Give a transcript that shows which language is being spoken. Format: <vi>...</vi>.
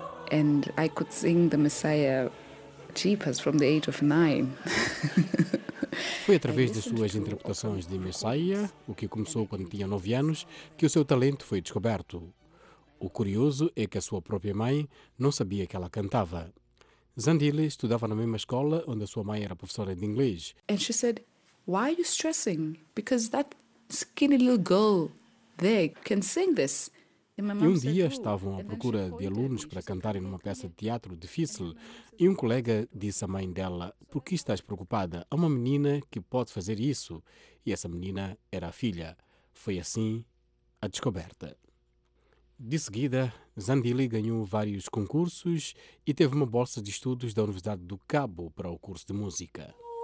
<en>And I could sing the Messiah jeepers from the age of 9.</en> <pt>Foi através das suas interpretações de Messiah, o que começou quando tinha 9 anos, que o seu talento foi descoberto. O curioso é que a sua própria mãe não sabia que ela cantava. Zandile estudava na mesma escola onde a sua mãe era professora de inglês.</pt> <en>And she said, "Why are you stressing? Because that skinny little girl there can sing this."</en> <pt>E um dia estavam à procura de alunos para cantarem numa peça de teatro difícil e um colega disse à mãe dela, "Por que estás preocupada? Há uma menina que pode fazer isso." E essa menina era a filha. Foi assim a descoberta. De seguida, Zandile ganhou vários concursos e teve uma bolsa de estudos da Universidade do Cabo para o curso de música.</pt>